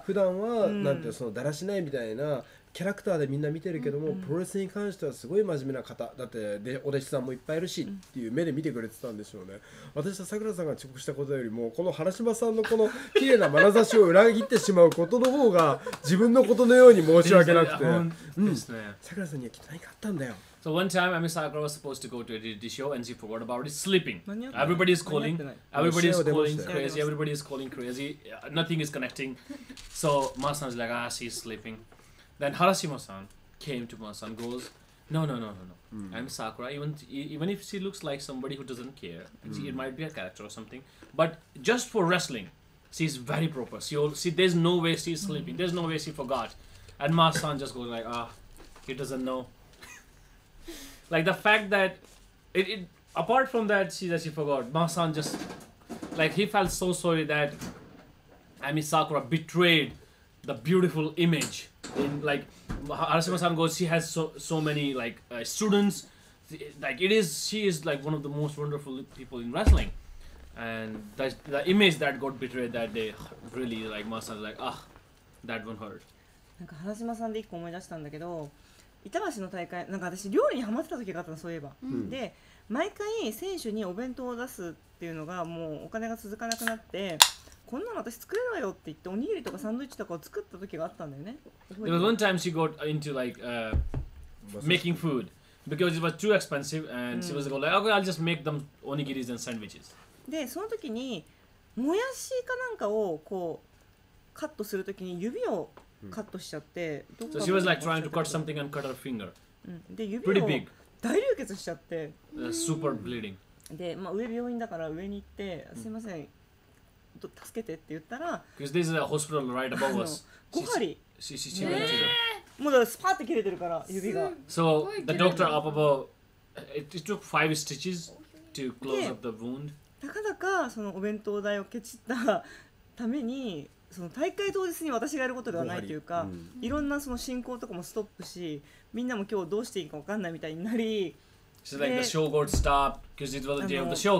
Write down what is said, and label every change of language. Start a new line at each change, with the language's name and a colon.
Japanese: 普段はなんていうそのだらしないみたいなキャラクターでみんな見てるけども、うんうん、プロレスに関してはすごい真面目な方だって、でお弟子さんもいっぱいいるしっていう目で見てくれてたんでしょうね。私はさくらさんが遅刻したことよりもこの原島さんのこの綺麗な眼差しを裏切ってしまうことの方が自分のことのように申し訳なくて、さくらさんにはきっと何かあったんだよ。
English: So one time, Ami Sakura was supposed to go to a DDT show and she forgot about it, sleeping. Everybody is calling. Everybody is calling crazy. Everybody is calling crazy. Nothing is connecting. So Masan is like, ah, she's sleeping. Then Harashima-san came to Masan, goes, no. Ami Sakura, even if she looks like somebody who doesn't care, she, it might be a character or something, but just for wrestling, she's very proper. She, there's no way she's sleeping. There's no way she forgot. And Masan just goes like, ah, he doesn't know. Like the fact that it apart from that, she forgot. Masan just like he felt so sorry that Ami Sakura betrayed the beautiful image. In like Harashima-san goes, she has so many like students. Like it is, she is like one of the most wonderful people in wrestling. And the image that got betrayed that day really like Masan like ah, that one hurt.
Japanese: Like Harashima-san で一個思い出したんだけど。板橋の大会、なんか私料理にハマってた時があったの、そういえば、うん、で毎回選手にお弁当を出すっていうのがもうお金が続かなくなって、こんなの私作れないよって言っておにぎりとかサンドイッチとかを作った時があったんだよね。
English: There was one time she got into like making food because it was too expensive and she was like, okay, I'll just make them onigiris and sandwiches.
Japanese: でその時にもやしかなんかをこうカットする時に指をカットしちゃって、どこか。
English: So she was like trying to cut something and cut her finger.
Japanese: で指を大流血しちゃって。
English: Super bleeding.
Japanese: で、まあ上病院だから上に行って、すいません、助けてって言ったら。
English: Because this is a hospital right above us.
Japanese: 5針。
English: She went to the...
Japanese: もうだからスパーって切れてるから指が。
English: So the doctor up above, it took 5 stitches to close up the wound.
Japanese: なかなかそのお弁当代をケチったために。その大会当日に私がやることではないというか、うん、いろんなその進行とかもストップし、みんなも今日どうしていいか分かんないみたいになり、
English: so like、the show got stopped because it was the day of the show.